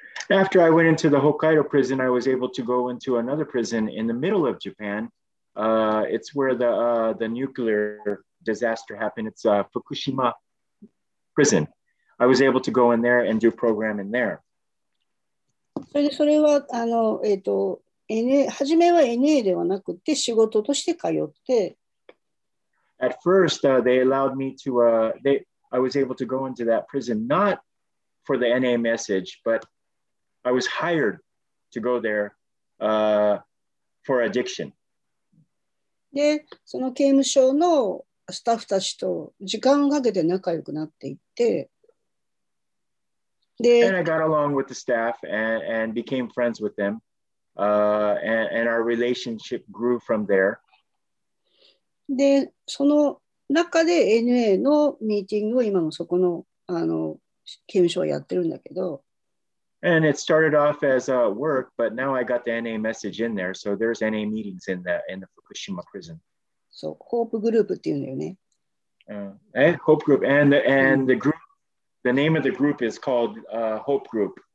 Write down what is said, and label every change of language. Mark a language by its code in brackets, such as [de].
[en] After I went into the Hokkaido prison, I was able to go into another prison in the middle of Japan. It's where the nuclear disaster happened. It's Fukushima prison. I was able to go in there and do program in there. [ja] それで、それはあの、NA、初めは NA ではなくて仕事として通って。 [en] At first, they allowed me to, I was able to go into that prison, not for the NA message, but I was hired to go there for addiction. [ja] で、その刑務所のスタッフたちと時間をかけて仲良くなっていって。 [en] で、And I got along with the staff and became friends with them. And our relationship grew from there. [ja] で、その中で NA のミーティングを今もそこの、あの、刑務所はやってるんだけど。 [en] And it started off as a work, but now I got the NA message in there, so there's NA meetings in the Fukushima prison. [ja] そう、Hope Groupっていうんだよね。 [en] Hope Group. And the group, the name of the group is called Hope Group.